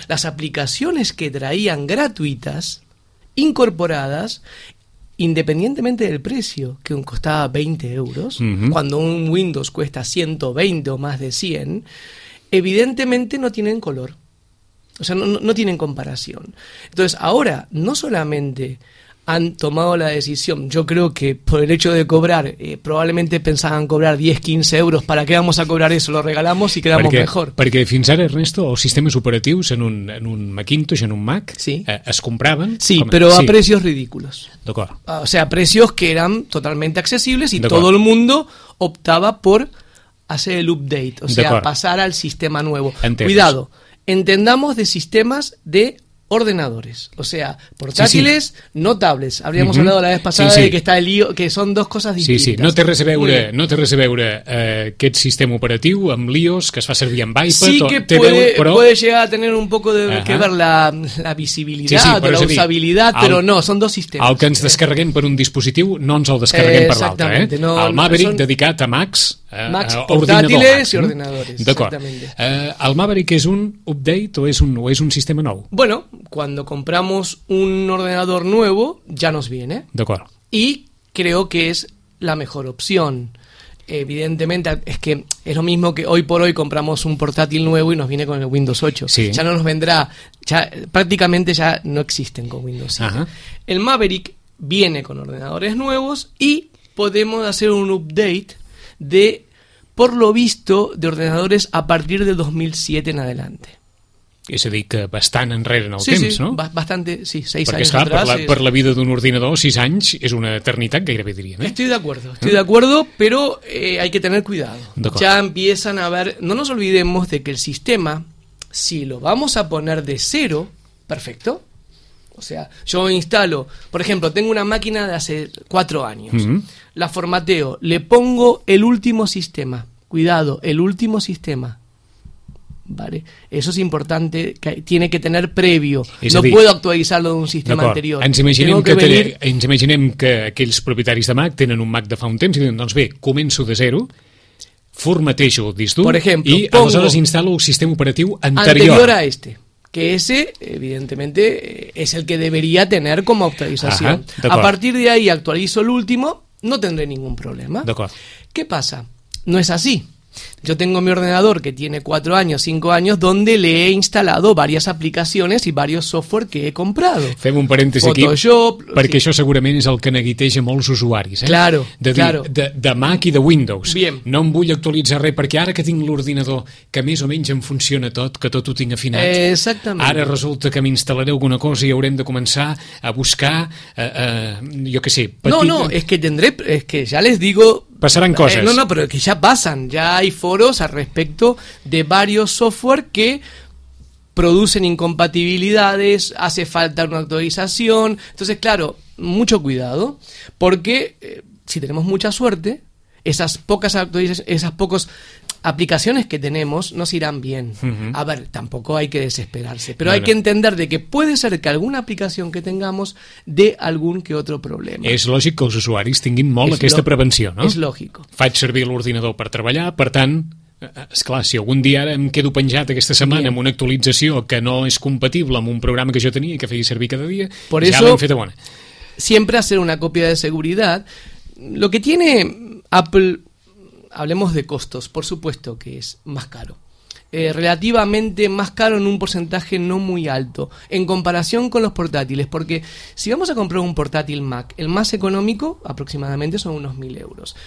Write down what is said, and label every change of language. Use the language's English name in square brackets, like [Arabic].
[Spanish] Las aplicaciones que traían gratuitas, incorporadas, independientemente del precio, que costaba 20 euros, cuando un Windows cuesta 120 o más de 100, evidentemente no tienen color. O sea, no tienen comparación. Entonces, ahora, no solamente han tomado la decisión, yo creo que por el hecho de cobrar, probablemente pensaban cobrar 10, 15 euros, ¿para qué vamos a cobrar eso? Lo regalamos y quedamos mejor. [Catalan] Perquè fins ara, Ernesto, els sistemes operatius en un Macintosh, en un Mac, sí. Es compraven... Sí, però [Spanish] a precios ridículos. [Catalan] D'acord. [Spanish] O sea, precios que eran totalmente accesibles y todo el mundo optaba por hacer el update, o sea, pasar al sistema nuevo. [Catalan] Entes. [Spanish] Cuidado, entendamos de sistemas de ordenadores, o sea, portátiles, sí, sí. No tablets. Habríamos hablado la vez pasada, sí, sí. De que está el lío, que son dos cosas distintas. [Catalan] Sí, sí, no té res a veure, aquest sistema operatiu amb iOS que es fa servir amb iPad. [Spanish] Sí que puede llegar a tener un poco de que ver la visibilidad, sí, o la usabilidad, pero no, son dos sistemas. [Catalan] El que ens descarreguem per un dispositiu no ens el descarreguem per l'altre. El Maverick [Spanish] son... [Catalan] dedicat a Macs. [Spanish] Macs, portátiles y ordenadores. [Catalan] D'acord. [Spanish] ¿El Maverick es un update o es un sistema nuevo? Bueno, cuando compramos un ordenador nuevo, ya nos viene. D'acord. Y creo que es la mejor opción. Evidentemente, es que es lo mismo que hoy por hoy compramos un portátil nuevo y nos viene con el Windows 8. Sí. Ya no nos vendrá. Ya, prácticamente ya no existen con Windows 7. Ajá. El Maverick viene con ordenadores nuevos y podemos hacer un update de, por lo visto, de ordenadores a partir de 2007 en adelante. [Catalan] És a dir, que bastant enrere en el temps, no? [Spanish] Sí, bastante, sí, [Catalan] 6 anys. Perquè, esclar, per la vida d'un ordinador, 6 anys és una eternitat, gairebé diríem. [Spanish] Estoy de acuerdo, pero hay que tener cuidado. Ya empiezan a ver, no nos olvidemos de que el sistema, si lo vamos a poner de cero, perfecto, o sea, yo instalo, por ejemplo, tengo una máquina de hace 4 años, la formateo, le pongo el último sistema, cuidado, el último sistema, ¿vale? Eso es importante, que tiene que tener previo, [Catalan] es [Spanish] no [Catalan] dir, [Spanish] puedo actualizarlo de un sistema anterior. [Catalan] Ens imaginem que aquells propietaris de Mac tenen un Mac de fa un temps i diuen, doncs bé, començo de zero, formatejo el disc dur i aleshores instalo el sistema operatiu anterior [Spanish] a este. Que ese, evidentemente, es el que debería tener como actualización. Ajá, a partir de ahí actualizo el último, no tendré ningún problema. ¿Qué pasa? No es así. Yo tengo mi ordenador que tiene 4 años, 5 años, donde le he instalado varias aplicaciones y varios software que he comprado. [Catalan] Fem un parèntesi aquí, Photoshop, perquè sí. Això segurament és el que neguiteja molts usuaris. [Spanish] Claro, [Catalan] de dir, [Spanish] claro. [Catalan] De Mac i de Windows. [Spanish] Bien. [Catalan] No em vull actualitzar res, perquè ara que tinc l'ordinador, que més o menys em funciona tot, que tot ho tinc afinat, exactament. Ara resulta que m'instal·laré alguna cosa i haurem de començar a buscar, jo què sé... Petit... No, és que tindré... És que ja les digo... Passaran coses. No, però que ja passen. Ja hi ha foros al respecte de [Spanish] varios software que producen incompatibilidades, hace falta una actualización. Entonces, claro, mucho cuidado, porque si tenemos mucha suerte, esas pocas actualizaciones, esas pocos aplicaciones que tenemos nos irán bien. Uh-huh. A ver, tampoco hay que desesperarse, pero bueno, hay que entender de que puede ser que alguna aplicación que tengamos dé algún que otro problema. [Catalan] És lògic que els usuaris tinguin molt aquesta prevenció, no? És lògic. Faig servir l'ordinador per treballar, per tant, esclar, si algun dia ara em quedo penjat aquesta setmana amb una actualització que no és compatible amb un programa que jo tenia i que feia servir cada dia, [Spanish] por [Catalan] ja [Spanish] eso, [Catalan] l'hem feta bona. Sempre [Spanish] hacer [Catalan] una còpia de seguretat. [Spanish] Lo que tiene Apple, hablemos de costos, por supuesto que es más caro. Relativamente más caro en un porcentaje no muy alto en comparación con los portátiles, porque si vamos a comprar un portátil Mac, el más económico aproximadamente son unos 1,000 euros.